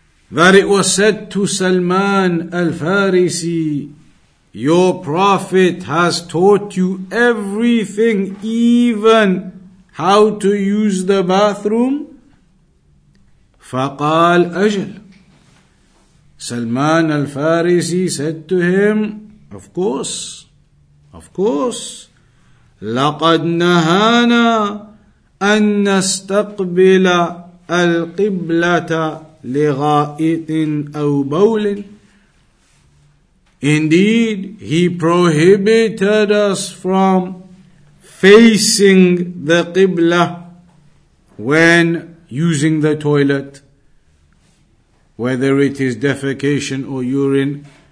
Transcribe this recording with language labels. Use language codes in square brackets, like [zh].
[en] That it was said to Salman al-Farisi, your prophet has taught you everything, even how to use the bathroom. [ar] فقال أجل. [en] Salman al-Farisi said to him, of course, [ar] لقد نهانا أن نستقبل القبلة لغائط أو بول. [en] Indeed, he prohibited us from facing the Qibla when using the toilet, whether it is defecation or urine.